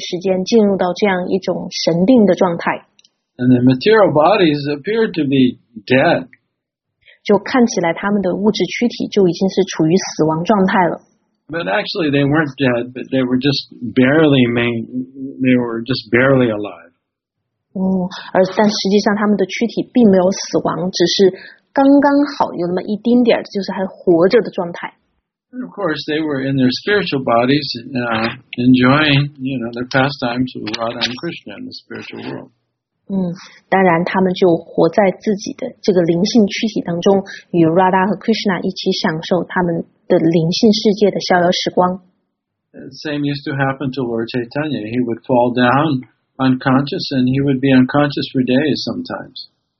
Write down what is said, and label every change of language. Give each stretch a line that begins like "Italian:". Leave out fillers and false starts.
Chinese: 所以说也有记载，就是Narottam Das Thakur和他的一些同游，会甚至是在好几天的时间进入到这样一种神定的状态。
English: And their material bodies appear to be dead.
Chinese: 就看起来他们的物质躯体就已经是处于死亡状态了。
English: But actually they weren't dead, but they were just barely alive.
Chinese: 但实际上他们的躯体并没有死亡，只是刚刚好有那么一丁点儿，就是还活着的状态。
English: And of course they were in their spiritual bodies enjoying, their pastimes with Radha and Krishna in the spiritual world.
Chinese: 当然他们就活在自己的这个灵性躯体当中，与 Radha 和 Krishna 一起享受他们的灵性世界的逍遥时光。
English: Same used to happen to Lord Chaitanya. He would fall down unconscious, and he would be unconscious for days sometimes.